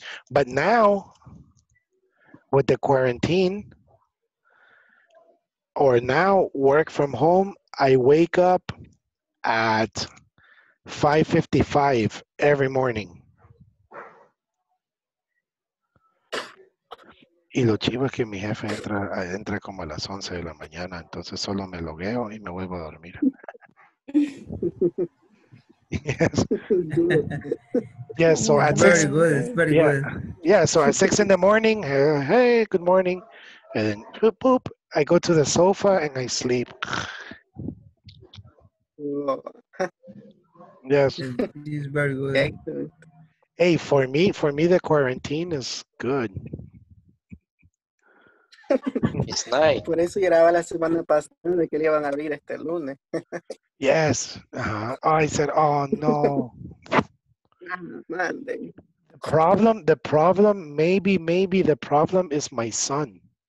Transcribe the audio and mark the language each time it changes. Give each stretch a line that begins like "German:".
English: But now, with the quarantine, or now work from home, I wake up at 5:55 every morning.
Spanish: Y lo chivo es que mi jefe entra como a las 11 de la mañana, entonces solo me logueo y me vuelvo a dormir.
English: Yes. Yes, so at very 6. Good. It's very yeah. Good. Yeah, so at 6 in the morning, hey, good morning. And then, boop, boop, I go to the sofa and I sleep. Yes. It's very good. Hey, for me, the quarantine is good. It's nice.
Spanish: Por eso grababa la semana pasada de que le iban a abrir este lunes.
English: Yes. I said, oh no. The problem, maybe the problem is my son.